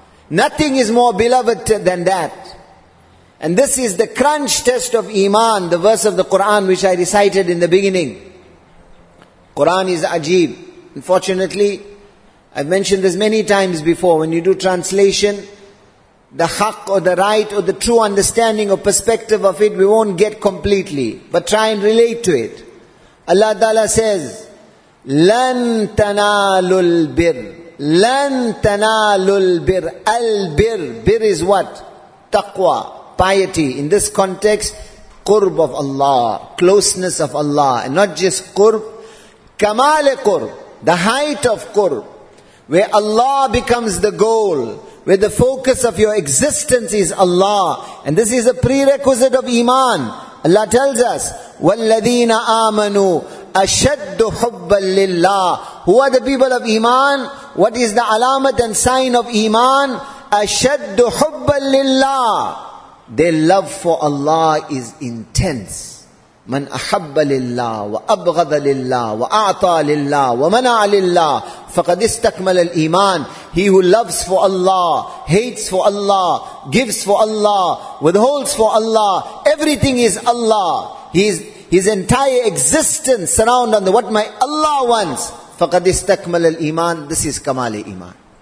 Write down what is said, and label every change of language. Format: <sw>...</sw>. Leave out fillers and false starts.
<en>Nothing is more beloved than that. And this is the crunch test of iman, the verse of the Quran which I recited in the beginning. Quran is ajeeb. Unfortunately, I've mentioned this many times before, when you do translation, the haqq or the right or the true understanding or perspective of it, we won't get completely. But try and relate to it. Allah Ta'ala says,</en> <ar>لَن تَنَالُ الْبِرِ لَن تَنَالُ الْبِرِ الْبِرِ.</ar> <en>Bir is what? Taqwa, piety. In this context, qurb of Allah, closeness of Allah. And not just qurb, Kamal-e-Qurb, the height of Qurb, where Allah becomes the goal, where the focus of your existence is Allah. And this is a prerequisite of iman. Allah tells us,</en> <ar>وَالَّذِينَ آمَنُوا أَشَدُّ حُبَّا لِلَّهِ.</ar> <en>Who are the people of iman? What is the alamat and sign of iman?</en> <ar>أَشَدُّ حُبَّا لِلَّهِ.</ar> <en>Their love for Allah is intense.</en> <ar>من احب لله وابغض لله واعطى لله ومنع لله فقد استكمل الايمان.</ar> <en>He who loves for Allah, hates for Allah, gives for Allah, withholds for Allah, everything is Allah. His entire existence surrounds on the what my Allah wants.</en> <ar>فقد استكمل الايمان.</ar> <en>This is kamal iman.</en>